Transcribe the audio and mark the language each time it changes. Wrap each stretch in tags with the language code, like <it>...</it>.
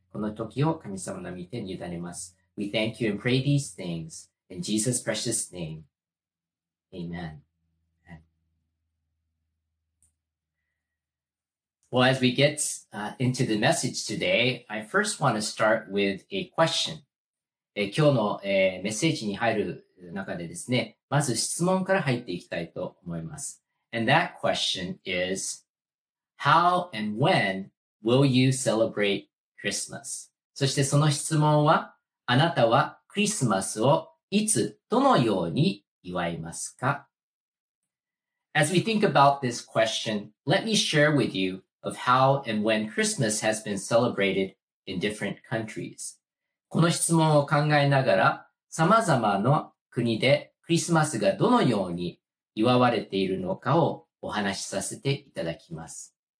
<ja>この時を神様の御手に委ねます。</ja> <en>We thank you and pray these things in Jesus' precious name. Amen. Well, as we get into the message today, I first want to start with a question.</en> <ja>今日の、メッセージに入る中でですね、まず質問から入っていきたいと思います。</ja> <en>And that question is,How and when will you celebrate Christmas?</en> <ja>そしてその質問は、あなたはクリスマスをいつどのように祝いますか?</ja> <en>As we think about this question, let me share with you of how and when Christmas has been celebrated in different countries.</en> <ja>この質問を考えながら、様々な国でクリスマスがどのように祝われているのかをお話しさせていただきます。</ja>